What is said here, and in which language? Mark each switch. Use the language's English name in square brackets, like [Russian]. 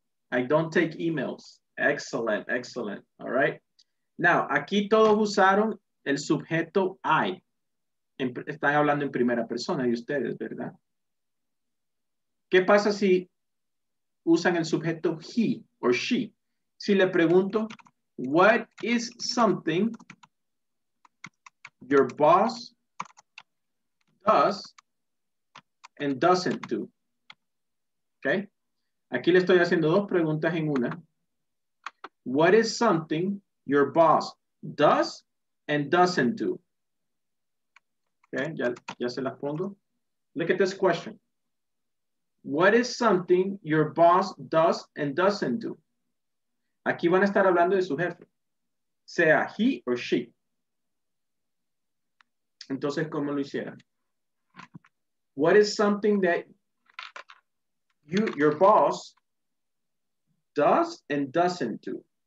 [English] I don't take emails. Excellent, excellent. All right. [Spanish] Now, aquí todos usaron el sujeto I. Están hablando en primera persona de ustedes, ¿verdad? ¿Qué pasa si usan el sujeto he or she? Si le pregunto, [English] what is something your boss does and doesn't do? Okay. [Spanish] Aquí le estoy haciendo dos preguntas en una. [English] What is something your boss does and doesn't do? Okay. [Spanish] Ya se las pongo. [English] Look at this question. What is something your boss does and doesn't do? [Spanish] Aquí van a estar hablando de su jefe, sea he or she. Entonces, ¿cómo lo hicieran? [English] What is something that you, your boss does and doesn't do?